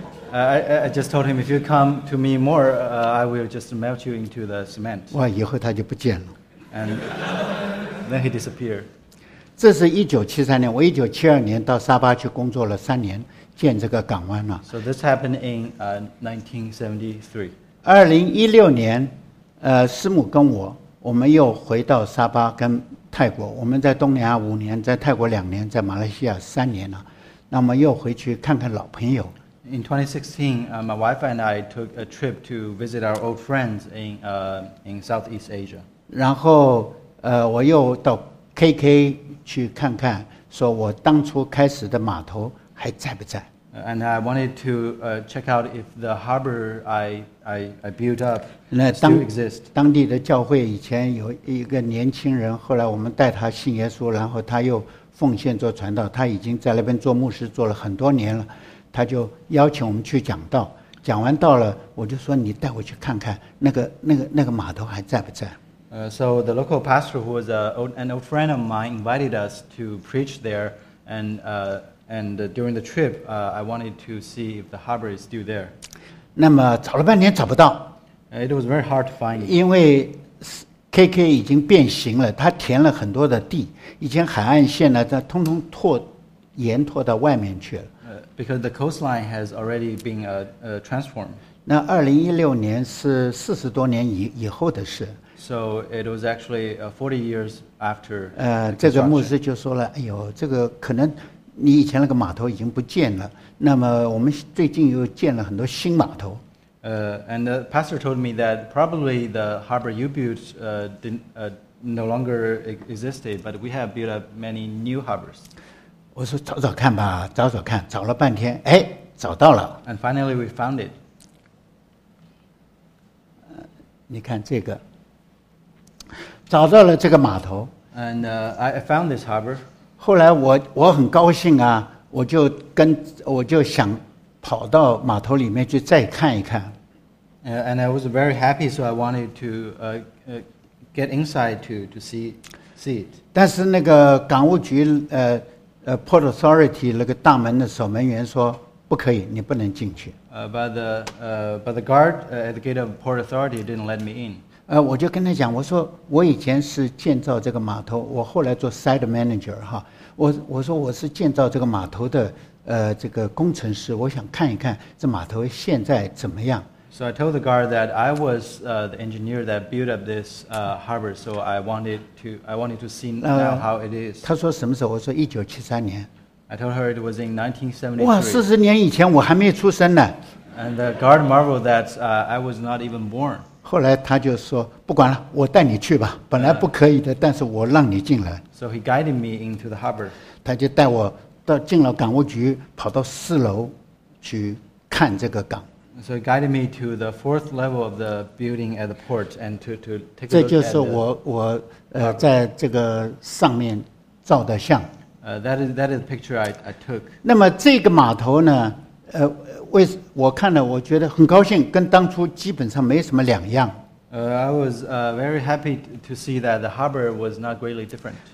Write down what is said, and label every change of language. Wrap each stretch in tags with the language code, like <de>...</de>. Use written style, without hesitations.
<en>So I just told him if you come to me more, I will just melt you into the cement.</en> <zh>哇，以后他就不见了。</zh> <en>And then he disappeared.</en> <zh>这是1973年，我1972年到沙巴去工作了3年。建这个港湾了。</zh> <en>So this happened in 1973.</en> <zh>2016年，师母跟我们又回到沙巴跟泰国。我们在东南亚5年，在泰国2年，在马来西亚3年了。那么又回去看看老朋友。</zh> <en>In 2016, my wife and I took a trip to visit our old friends in Southeast Asia.</en> <zh>然后我又到 KK 去看看，说我当初开始的码头。还在不在</zh> <en>？And I wanted to check out if the harbor I built up still exists.</en> <zh>当地的教会以前有一个年轻人，后来我们带他信耶稣，然后他又奉献做传道。他已经在那边做牧师做了很多年了，他就邀请我们去讲道。讲完道了，我就说你带我去看看那个码头还在不在。</zh> <en>So the local pastor who was an old friend of mine invited us to preach there and. And during the trip, I wanted to see if the harbor is still there.</en> <zh>那么找了半天找不到。</zh> <en>It was very hard to find.</en> <zh>因为 KK 已经变形了，他填了很多的地，以前海岸线呢，它通通延拓到外面去了。</zh> <en>Because the coastline has already been transformed.</en> <zh>那2016年是40多年以后的事。</zh> <en>So it was actually 40 years after.</en> <zh>这个牧师就说了，哎呦，这个可能。你以前那个码头已经不见了，那么我们最近又建了很多新码头。</zh> <en>And the pastor told me that probably the harbor you built no longer existed, but we have built up many new harbors.</en> <zh>我说找找看吧，找找看，找了半天，哎，找到了。</zh> <en>And finally we found it.</en> <zh>你看这个，找到了这个码头。</zh> <en>And I found this harbor.</en> <zh>后来我很高兴啊，我就想跑到码头里面去再看一看。</zh> <en>And I was very happy, so I wanted to get inside to see it.</en> <zh>但是那个港务局Port Authority 那个大门的守门员说不可以，你不能进去。</zh> <en>But the guard at the gate of Port Authority didn't let me in.</en> <zh>我就跟他讲，我说我以前是建造这个码头，我后来做 site manager 哈。我说我是建造这个码头的这个工程师，我想看一看这码头现在怎么样。</zh> <en>So I told the guard that I was the engineer that built up this harbor, so I wanted to see now how it is.</en> <zh>他说什么时候？我说1973年。</zh> <en>I told her it was in 1973.</en> <zh>哇，40年以前我还没出生呢。</zh> <en>And the guard marveled that I was not even born.</en> <zh>后来他就说不管了，我带你去吧。本来不可以的，但是我让你进来。</zh> <en>So he guided me into the harbor.</en> <zh>他就带我到进了港务局，跑到4楼去看这个港。</zh> <en>So he guided me to the fourth level of the building at the port and to take a look at the harbor.</en> <zh>这就是我在这个上面照的相。</zh> <en>That is the picture I took.</en> <zh>那么这个码头呢？我看了，我觉得很高兴，跟当初基本上没什么两样。</zh> <en>I was very happy to see that the harbor was not greatly different.</en>